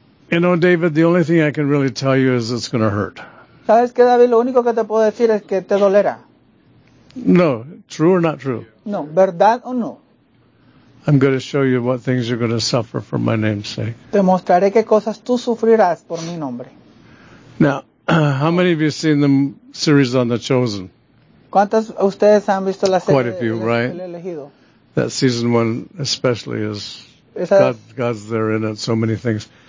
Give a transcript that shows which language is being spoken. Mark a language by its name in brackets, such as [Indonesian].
[English] You know, David, the only thing I can really tell you is it's going to hurt. [Spanish] ¿Sabes qué, David? Lo único que te puedo decir es que te dolerá. [English] No, true or not true? [Spanish] No, ¿verdad o no? [English] I'm going to show you what things you're going to suffer for my name's sake. [Spanish] Te mostraré qué cosas tú sufrirás por mi nombre. [English] Now, how many of you have seen the series on The Chosen? [Spanish] ¿Cuántos de ustedes han visto la serie? [English] Quite a few, right? [Spanish] El Elegido. [English] That season one especially is, God's there in it, so many things.